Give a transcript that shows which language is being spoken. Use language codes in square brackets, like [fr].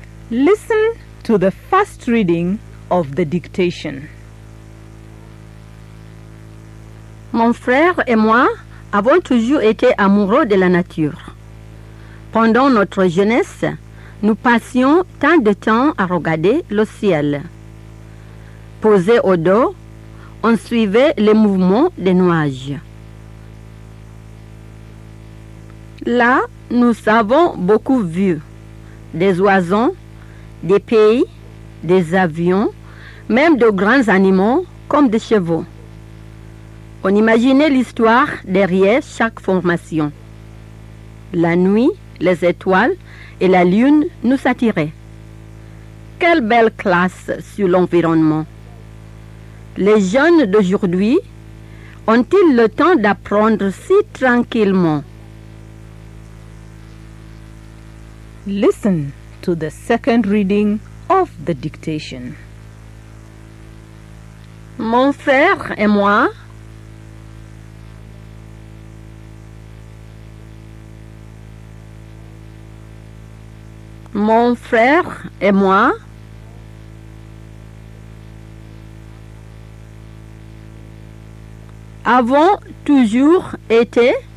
[en] Listen to the first reading of the dictation. [fr] Mon frère et moi avons toujours été amoureux de la nature. Pendant notre jeunesse, nous passions tant de temps à regarder le ciel. Posé au dos, on suivait les mouvements des nuages. Là, nous avons beaucoup vu des oiseaux, des pays, des avions, même de grands animaux comme des chevaux. On imaginait l'histoire derrière chaque formation. La nuit, les étoiles et la lune nous attiraient. Quelle belle classe sur l'environnement! Les jeunes d'aujourd'hui ont-ils le temps d'apprendre si tranquillement? [en] Listen to the second reading of the dictation. [fr] Mon frère et moi Mon frère et moi avons toujours été